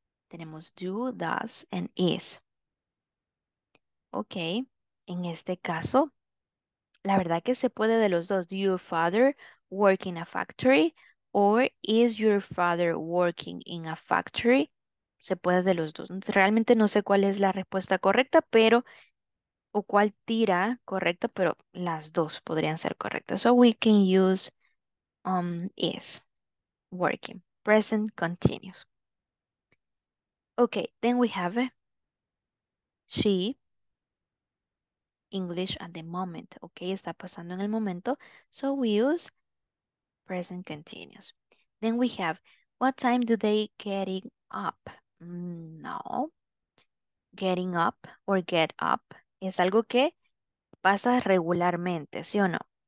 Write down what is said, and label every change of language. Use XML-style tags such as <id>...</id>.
<es>Tenemos do, does, and is. Okay, en este caso, la verdad que se puede de los dos.</es> <en>Do your father work in a factory? Or is your father working in a factory?</en> <es>Se puede de los dos. Realmente no sé cuál es la respuesta correcta, pero, o cuál tira correcta, pero las dos podrían ser correctas.</es> <en>So we can use is working. Present continuous. Okay, then we have she. English at the moment, okay,</en> <es>está pasando en el momento,</es> <en>so we use present continuous. Then we have, what time do they getting up?</en> <es>No, getting up or get up es algo que pasa regularmente, ¿sí o no?</es>